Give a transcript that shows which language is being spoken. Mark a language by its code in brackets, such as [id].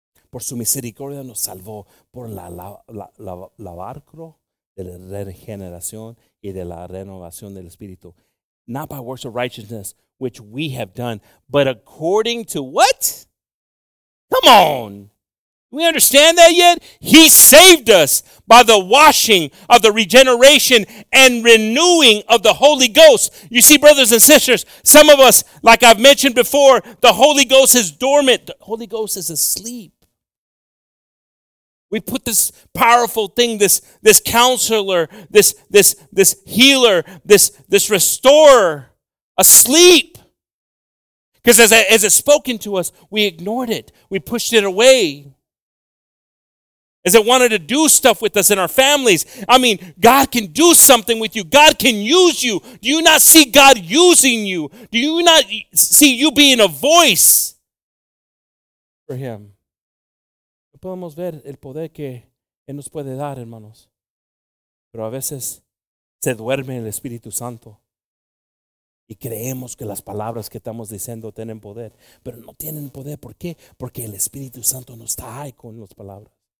[es] Por su misericordia nos salvó por la de la regeneración y de la renovación del espíritu. [en] Not by works of righteousness, which we have done, but according to what? Come on. We understand that yet? He saved us by the washing of the regeneration and renewing of the Holy Ghost. You see, brothers and sisters, some of us, like I've mentioned before, the Holy Ghost is dormant. The Holy Ghost is asleep. We put this powerful thing, this counselor, this healer, this restorer asleep. Because as it's spoken to us, we ignored it. We pushed it away. As it wanted to do stuff with us in our families. I mean, God can do something with you. God can use you. Do you not see God using you? Do you not see you being a voice for Him? [es] No podemos ver el poder que Él nos puede dar, hermanos. Pero a veces se duerme el Espíritu Santo. Y creemos que las palabras que estamos diciendo tienen poder. Pero no tienen poder. ¿Por qué? Porque el Espíritu Santo no está ahí con las palabras.